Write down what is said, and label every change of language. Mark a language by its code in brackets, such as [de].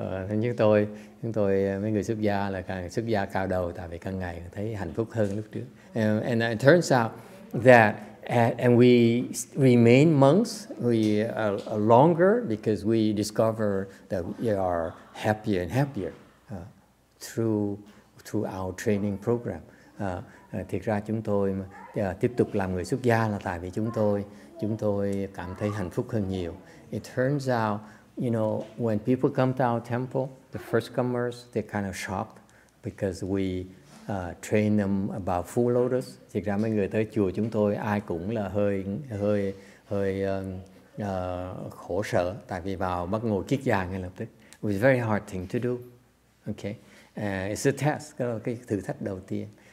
[vi] Như tôi mấy người xuất gia là càng xuất gia cao đầu, tại vì càng ngày thấy hạnh phúc hơn lúc trước. [en] And it turns out that and we remain monks we are longer because we discover that we are happier and happier through our training program. [vi] Thiệt ra chúng tôi tiếp tục làm người xuất gia là tại vì chúng tôi cảm thấy hạnh phúc hơn nhiều. [en] It turns out, you know, when people come to our temple, the first comers, they're kind of shocked because we train them about full lotus. [vi] Thực ra mấy người tới chùa chúng tôi ai cũng là hơi khổ sở, tại vì vào bắt ngồi kiết già ngay lập tức. [en] It's a very hard thing to do. Okay, it's a test. [vi] Cái là cái thử thách đầu tiên.